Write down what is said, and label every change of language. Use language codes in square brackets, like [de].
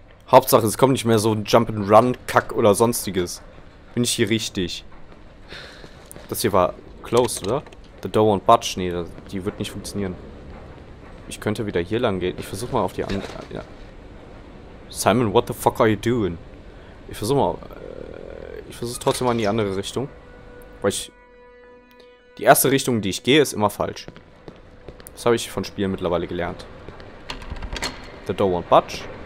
[de] Hauptsache, es kommt nicht mehr so ein Jump'n'Run-Kack oder sonstiges. Bin ich hier richtig? Das hier war closed, oder? [en] The door won't budge. [de] Nee, die wird nicht funktionieren. Ich könnte wieder hier lang gehen. Ich versuche mal auf die andere. Ja. [en] Simon, what the fuck are you doing? [de] Ich versuche trotzdem mal in die andere Richtung. Weil ich... Die erste Richtung, die ich gehe, ist immer falsch. Das habe ich von Spielen mittlerweile gelernt. [en] The door won't budge.